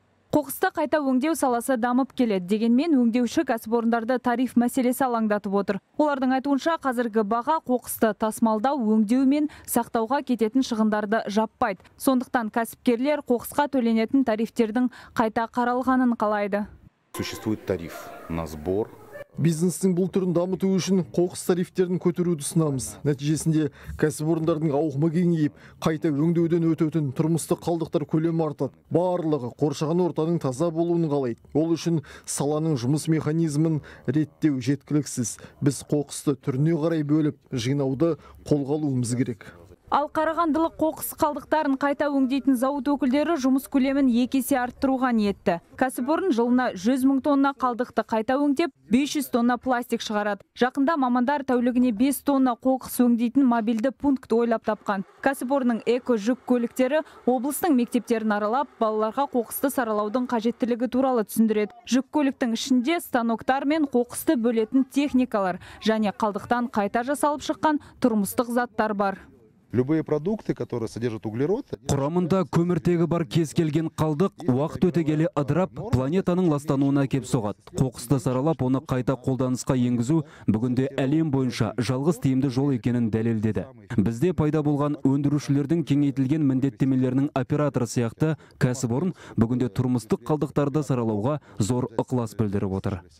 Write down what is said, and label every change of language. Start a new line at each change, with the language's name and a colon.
Kazakh: Қоқысты қайта өңдеу саласы дамып келеді, дегенмен өңдеуші кәсіпорындарды тариф мәселесі алаңдатып отыр. Олардың айтуынша, қазіргі баға қоқысты тасымалдау, өңдеу мен сақтауға кететін шығындарды жаппайды. Сондықтан кәсіпкерлер қоқысқа төленетін тарифтердің қайта қаралғанын қалайды.
Russian: Существует тариф на сбор.
Kazakh: Бизнестің бұл түрін дамыту үшін қоқыс тарифтерін көтеруді ұсынамыз. Нәтижесінде кәсіпорындардың ауқымы кеңейіп, қайта өңдеуден өтетін тұрмыстық қалдықтар көлемі артады. Барлығы қоршаған ортаның таза болуын қалайды. Ол үшін саланың жұмыс механизмін реттеу жеткіліксіз. Біз қоқысты түріне қарай бөліп, жинауды қолға алуымыз керек. Ал қарағандылық қоқыс қалдықтарын қайта өңдейтін зауыт өкілдері жұмыс көлемін екі есе арттыруға ниетті. Кәсіпорын жылына 100 мың тонна қалдықты қайта өңдеп, 500 тонна пластик шығарады. Жақында мамандар тәулігіне 5 тонна қоқыс өңдейтін мобильді пункт ойлап тапқан. Кәсіпорынның эко-жүк көліктері облыстың мектептерін аралап, балаларға қоқысты саралаудың қажеттілігі туралы түсіндіреді. Жүк көліктің ішінде станоктар мен қоқысты бөлетін техникалар және қалдықтан қайта жасалып шыққан тұрмыстық заттар бар.
Russian: Любые продукты, которые содержат углерод.
Kazakh: Құрамында көміртегі бар кез келген қалдық уақыт өте келе ыдырап, планетаның ластануына әкеп соғады. Қоқысты саралап, оны қайта қолданысқа енгізу бүгінде әлем бойынша жалғыз тиімді жол екенін дәлелдеді. Бізде пайда болған өндірушілердің кеңейтілген міндеттемелерінің операторы сияқты кәсіпорын бүгінде тұрмыстық қалдықтарды саралауға зор ықылас білдіріп отыр.